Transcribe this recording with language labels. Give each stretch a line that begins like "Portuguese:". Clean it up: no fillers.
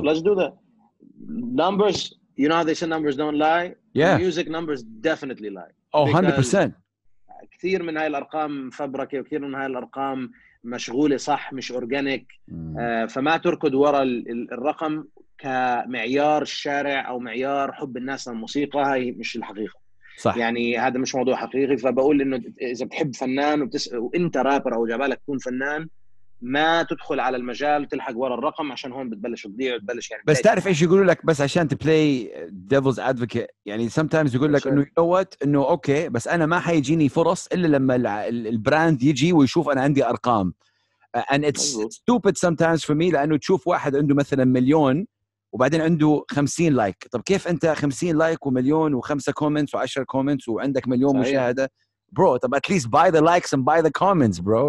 English: let's do that numbers you know how they say numbers don't lie yeah the music numbers definitely lie oh 100%
Arabic: كثير من هاي الأرقام فبركة وكثير من هاي الأرقام مشغولة صح مش أورجانيك فما تركض وراء الرقم كمعيار الشارع أو معيار حب الناس للموسيقى هاي مش الحقيقة صح. يعني هذا مش موضوع حقيقي فبقول إنه إذا بتحب فنان وإنت رابر أو جبالك تكون فنان ما تدخل على المجال تلحق وراء الرقم عشان هون بتبلش تضيع وتبلش يعني بس تعرف إيش يقولوا لك بس عشان تبلاي
English: devil's advocate
Arabic: يعني sometimes يقول لك إنه يوت إنه أوكي بس أنا ما حيجيني فرص إلا لما البراند يجي ويشوف أنا عندي أرقام
English: and it's stupid sometimes for me
Arabic: لأنه تشوف واحد عنده مثلا مليون وبعدين عنده 50 لايك طب كيف أنت 50 لايك ومليون وخمسة كومنتس وعشر كومنتس وعندك مليون صحيح. مشاهدة
English: bro, طب at least buy the likes and buy the comments, bro.